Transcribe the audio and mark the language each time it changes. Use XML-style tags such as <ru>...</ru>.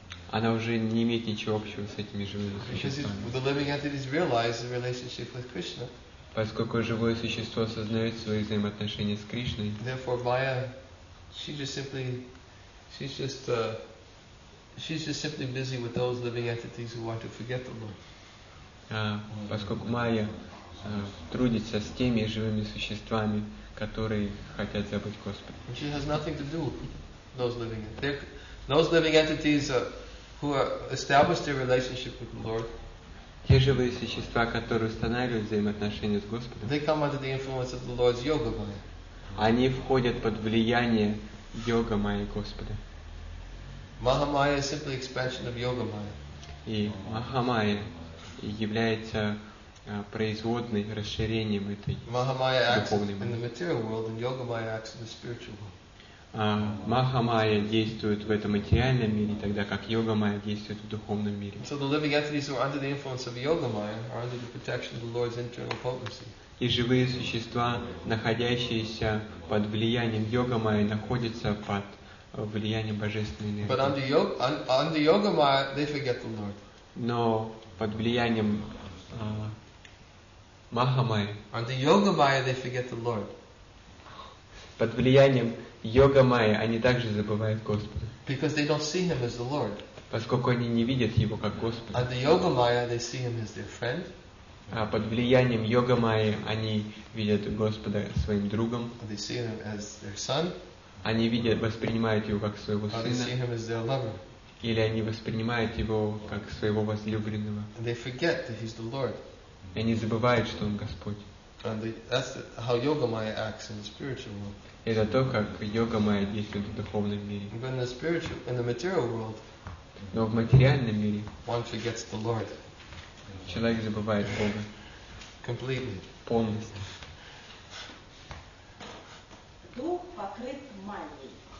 <ru>Она уже не имеет ничего общего с этими живыми существами.</ru> <en>The living entities realize the relationship with Krishna.</en> <ru>Поскольку живое существо осознает свои взаимоотношения с Кришной,</ru> <en>therefore Maya, she just simply She's just simply busy with those living entities who want to forget the Lord.</en> <ru>Поскольку Майя трудится с теми живыми существами, которые хотят забыть Господа.</ru> <en>And she has nothing to do with those living entities. Those living entities who are established their relationship with the Lord.</en> <ru>Те живые существа, которые устанавливают взаимоотношения с Господом.</ru> <en>They come under the influence of the Lord's yoga maya.</en> <ru>Они входят под влияние йога майи Господа.</ru> <en>Mahamaya is simply expansion of yoga maya.</en> <ru>И Mahamaya является производной расширением этой Mahamaya духовной</ru> <en>acts in the material world, and yoga maya acts in the spiritual world.</en> <ru>Mahamaya действует в этом материальном мире, тогда как йога майя действует в духовном мире.</ru> <en>So the living entities who are under the influence of yoga maya are under the protection of the Lord's internal potency.</en> <ru>И живые существа, находящиеся под влиянием йога майя, находятся под влиянием божественной энергии.</ru> <en>But under yoga maya, they forget the Lord.</en> <ru>Но под влиянием Mahamaya.</ru> <en>Under yoga maya, they forget the Lord.</en> <ru>Под влиянием йога майя они также забывают Господа.</ru> <en>Because they don't see him as the Lord.</en> <ru>Поскольку они не видят его как Господа.</ru> <en>Under yoga maya, they see him as their friend.</en> <ru>Под влиянием йога майи они видят Господа своим другом.</ru> <en>They see him as their son.</en> <ru>Они видят, воспринимают его как своего сына.</ru> <en>They see him as their lover.</en> <ru>Или они воспринимают его как своего возлюбленного.</ru> <en>And they forget that he's the Lord.</en> <ru>И они забывают, что он Господь.</ru> <en>And that's how yoga maya acts in the spiritual world.</en> <ru>Это то, как йога майя действует в духовном мире.</ru> <en>But in the spiritual, in the material world,</en> <ru>но в материальном мире</ru> <en>one forgets the Lord.</en> <ru>Человек забывает Бога.</ru> <en>Completely.</en> <ru>Полностью. Дух покрыт Майей.</ru>